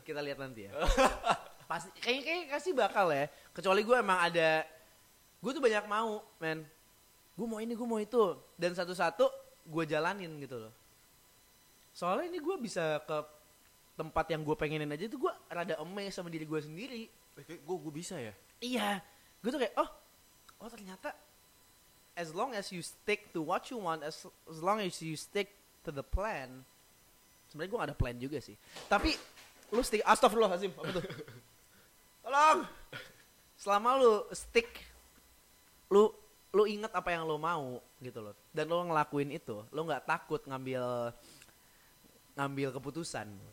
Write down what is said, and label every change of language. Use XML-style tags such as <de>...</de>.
<id>Kita lihat nanti ya. Pasti, kayaknya kasih bakal ya. Kecuali gue emang ada, gue tuh banyak mau, men. Gue mau ini, gue mau itu. Dan satu-satu gue jalanin gitu loh. Soalnya ini gue bisa ke tempat yang gue pengenin aja tuh gue rada amazed sama diri gue sendiri. Gue bisa ya? Iya. Gue tuh kayak, oh ternyata</id> <en>as long as you stick to what you want, as long as you stick to the plan.</en> <id>Sebenarnya gue gak ada plan juga sih. Tapi lu stick, astagfirullahaladzim, apa tuh? Tolong! Selama lu stick, lu ingat apa yang lu mau gitu loh. Dan lu ngelakuin itu, lu gak takut ngambil keputusan.</id>